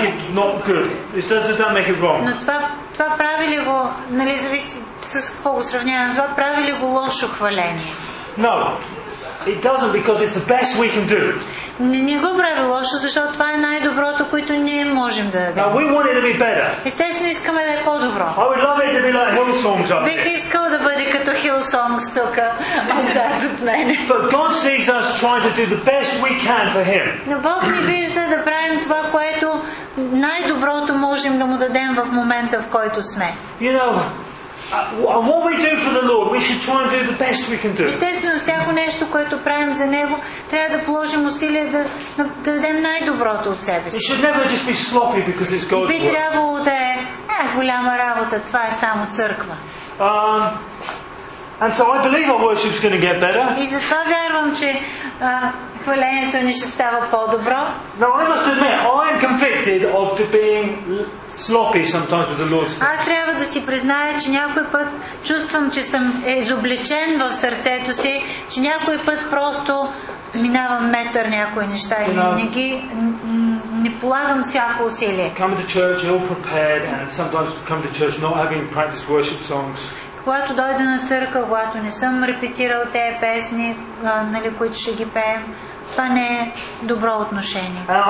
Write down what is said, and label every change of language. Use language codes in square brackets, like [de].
[en] Does that make it not good? [bg] Но това прави ли го, нали, зависи с какво го сравняваме, това прави ли го лошо хваление? [en] No, it doesn't, because it's the best we can do. [bg] Не го прави лошо, защото това е най-доброто, което ние можем да дадем. [en] Now we want it to be better. [bg] Естествено искаме да е по-добро. [en] I would love it to be like Hillsong. [bg] Бих искал да бъде като Hillsong тук, отзад от мен. [en] But God sees us trying to do the best we can for Him. [bg] Но Бог ни вижда да правим това, което най-доброто можем да му дадем в момента, в който сме. [en] You know, and what we do for the Lord, we should try and do the best we can do. [bg] Естествено, всяко нещо, което правим за Него, трябва да положим усилия да дадем най-доброто от себе си. [en] It should never just be sloppy because it's God's work. [bg] Би трябвало да е голяма работа, това е само църква. [en] And so I believe our worship's going to get better. [bg] И затова вярвам, че хвалението ни ще става по-добро. [en] Now I must admit, I am convicted of being sloppy sometimes with the Lord's prayer. [bg] Аз трябва да си призная, че някой път чувствам, че съм изобличен в сърцето си, че някой път просто минавам метър някои неща и не полагам всяко усилие. [en] Come to church all prepared, and sometimes come to church not having practiced worship songs. [bg] Когато дойда на църква, когато не съм репетирал тези песни, нали, които ще ги пеем, това не е добро отношение.